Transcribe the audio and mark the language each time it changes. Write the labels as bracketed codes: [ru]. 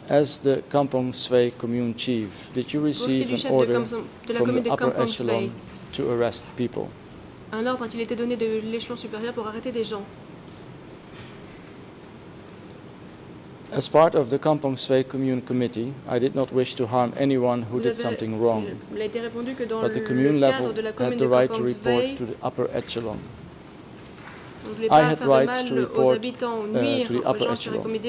[en] As the Kampong Svei commune chief, did you receive an order from the upper echelon to arrest people? [fr] Un ordre a-t-il été donné de l'échelon supérieur pour arrêter des gens? [en] As part of the Kampong Svei commune committee, I did not wish to harm anyone who did something wrong. But the commune level had the right to report to the upper echelon. I had rights to report to the upper echelon.